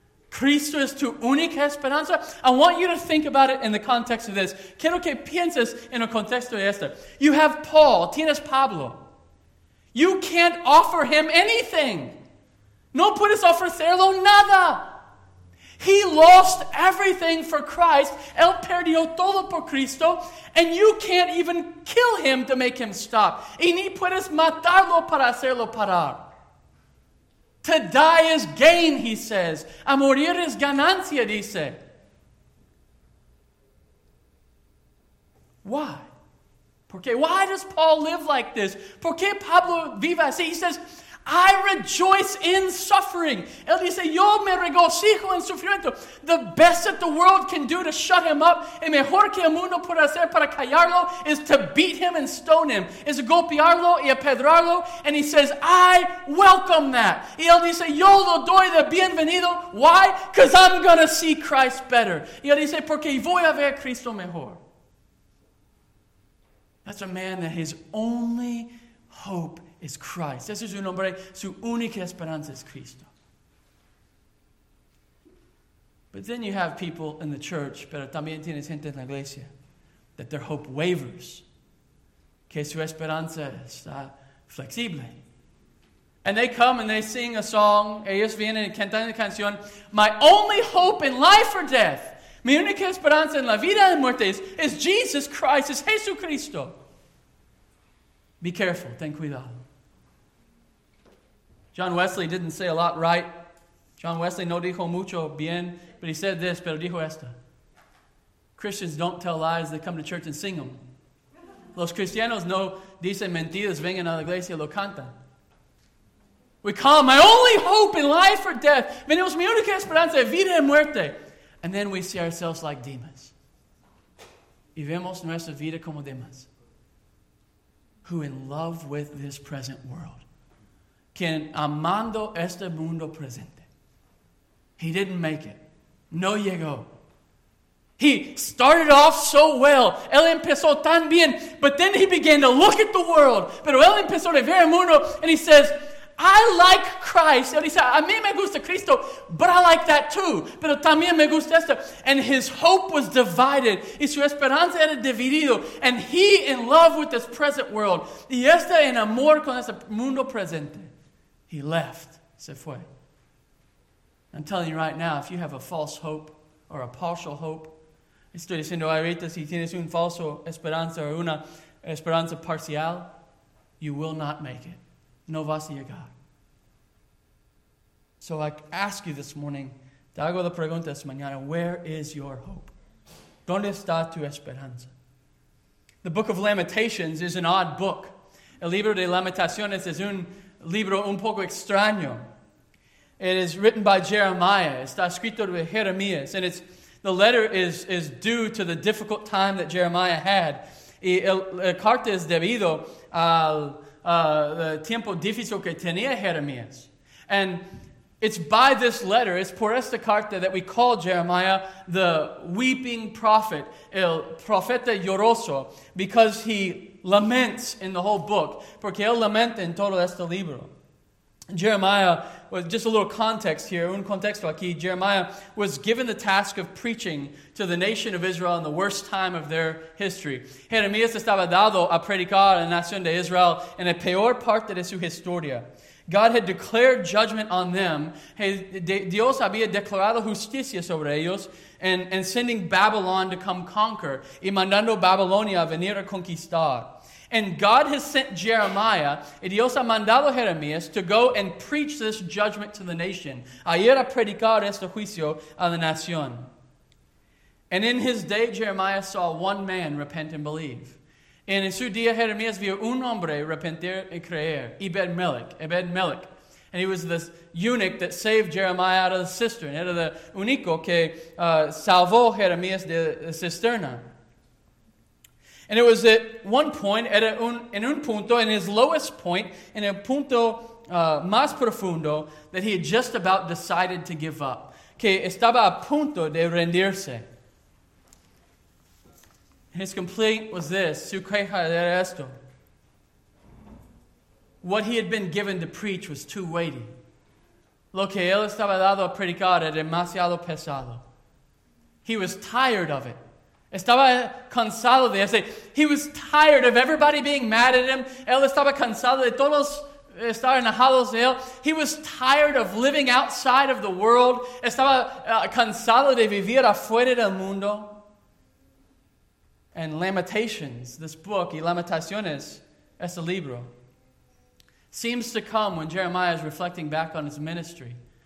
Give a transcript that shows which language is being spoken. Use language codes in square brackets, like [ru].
[es] ¿Cristo es tu única esperanza? [en] I want you to think about it in the context of this. [es] Quiero que pienses en el contexto de esto. [en] You have Paul, [es] tienes Pablo. [en] You can't offer him anything. [es] No puedes ofrecerlo nada. [en] He lost everything for Christ. [es] Él perdió todo por Cristo. [en] And you can't even kill him to make him stop. [es] Y ni puedes matarlo para hacerlo parar. [en] To die is gain, he says. [es] A morir es ganancia, dice. [en] Why? Why does Paul live like this? [es] ¿Por qué Pablo vive así? [en] He says, I rejoice in suffering. [es] Él dice, yo me regocijo en sufrimiento. [en] The best that the world can do to shut him up, [es] el mejor que el mundo puede hacer para callarlo, [en] is to beat him and stone him, is [es] golpearlo y apedrarlo. [en] And he says, I welcome that. [es] Y él dice, yo lo doy de bienvenido. [en] Why? Because I'm going to see Christ better. [es] Y él dice, porque voy a ver a Cristo mejor. [en] That's a man that his only hope is Christ. [es] Ese es un hombre, su única esperanza es Cristo. [en] But then you have people in the church, [es] pero también tienes gente en la iglesia, [en] that their hope wavers, [es] que su esperanza está flexible. [en] And they come and they sing a song, [es] ellos vienen y cantan una canción, [en] my only hope in life or death, [es] mi única esperanza en la vida y muerte es Jesus Christ, es Jesucristo. [en] Be careful, [es] ten cuidado. [en] John Wesley didn't say a lot right. [es] John Wesley no dijo mucho bien, [en] but he said this, [es] pero dijo esto. [en] Christians don't tell lies, they come to church and sing them. [es] Los cristianos no dicen mentiras, vengan a la iglesia y lo cantan. [en] We call them, my only hope in life or death. [es] Venimos mi única esperanza de vida y muerte. [en] And then we see ourselves like Demas. [es] Y vemos nuestra vida como Demas. [en] Who in love with this present world. [es] Quien amando este mundo presente. [en] He didn't make it. [es] No llegó. [en] He started off so well. [es] Él empezó tan bien. [en] But then he began to look at the world. [es] Pero él empezó a ver el mundo. [en] And he says, I like Christ. [es] Él dice, a mí me gusta Cristo. [en] But I like that too. [es] Pero también me gusta esto. [en] And his hope was divided. [es] Y su esperanza era dividido. [en] And he in love with this present world. [es] Y está en amor con este mundo presente. [en] He left, [es] se fue. [en] I'm telling you right now, if you have a false hope or a partial hope, [es] estoy diciendo ahorita, si tienes un falso esperanza o una esperanza parcial, [en] you will not make it. [es] No vas a llegar. [en] So I ask you this morning, [es] te hago la pregunta esta mañana, [en] where is your hope? [es] ¿Dónde está tu esperanza? [en] The Book of Lamentations is an odd book. [es] El Libro de Lamentaciones es un libro un poco extraño. [en] It is written by Jeremiah. [es] Está escrito de Jeremías. [en] And it's the letter is due to the difficult time that Jeremiah had. [es] Y la carta es debido al tiempo difícil que tenía Jeremías. [en] And it's by this letter, it's [es] por esta carta [en] that we call Jeremiah the weeping prophet, [es] el profeta lloroso, [en] because he laments in the whole book. [es] Porque él lamenta en todo este libro. [en] Jeremiah, with just a little context here, [es] un contexto aquí, [en] Jeremiah was given the task of preaching to the nation of Israel in the worst time of their history. [es] Jeremías estaba dado a predicar a la nación de Israel en la peor parte de su historia. [en] God had declared judgment on them. [es] Dios había declarado justicia sobre ellos [en] and sending Babylon to come conquer [es] y mandando Babilonia a venir a conquistar. [en] And God has sent Jeremiah, [es] y Dios ha mandado Jeremías, [en] to go and preach this judgment to the nation, [es] a ir a predicar este juicio a la nación. [en] And in his day, Jeremiah saw one man repent and believe. [es] En su día, Jeremías vio un hombre arrepentir y creer, Ebed-Melech. [en] And he was this eunuch that saved Jeremiah out of the cistern. [es] Era el único que salvó Jeremías de la cisterna. [en] And it was at one point, [es] en un punto, [en] in his lowest point, in a [es] punto más profundo, [en] that he had just about decided to give up. [es] Que estaba a punto de rendirse. [en] His complaint was this, [es] su queja era esto. [en] What he had been given to preach was too weighty. [es] Lo que él estaba dado a predicar era demasiado pesado. [en] He was tired of it. [es] Estaba cansado de ese. [en] He was tired of everybody being mad at him. [es] Él estaba cansado de todos estar enojados de él. [en] He was tired of living outside of the world. [es] Estaba cansado de vivir afuera del mundo. [en] And Lamentations, this book, [es] y Lamentaciones, este libro, [en] seems to come when Jeremiah is reflecting back on his ministry.